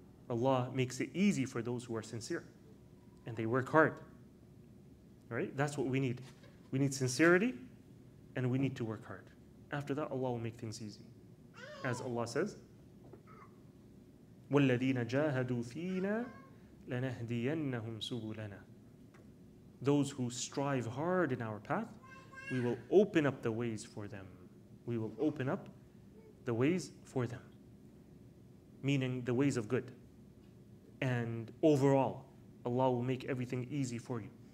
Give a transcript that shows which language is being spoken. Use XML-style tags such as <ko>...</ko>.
<en>Allah makes it easy for those who are sincere. And they work hard, right? That's what we need. We need sincerity and we need to work hard. After that, Allah will make things easy. As Allah says,</en> <ar>وَالَّذِينَ جَاهَدُوا فِينا لَنَهْدِيَنَّهُمْ سُبُلَنَا.</ar> <en>Those who strive hard in our path, we will open up the ways for them. We will open up the ways for them. Meaning the ways of good. And overall, Allah will make everything easy for you.</en>